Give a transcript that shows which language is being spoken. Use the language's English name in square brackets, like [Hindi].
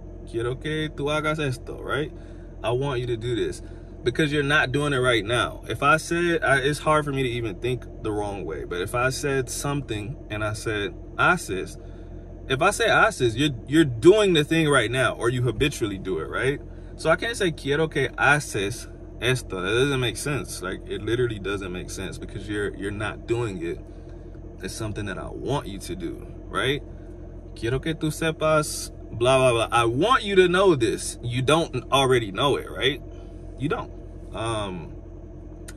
[Spanish] Quiero que tú hagas esto, [English] right? I want you to do this because you're not doing it right now. If I said, it's hard for me to even think the wrong way, but if I said something and I said haces, if I say haces, you're doing the thing right now or you habitually do it, right? So I can't say [Spanish] quiero que haces esto. [English] That doesn't make sense. Like, it literally doesn't make sense because you're not doing it. It's something that I want you to do, right? [Spanish] Quiero que tú sepas, [English] blah, blah, blah. I want you to know this. You don't already know it, right? You don't.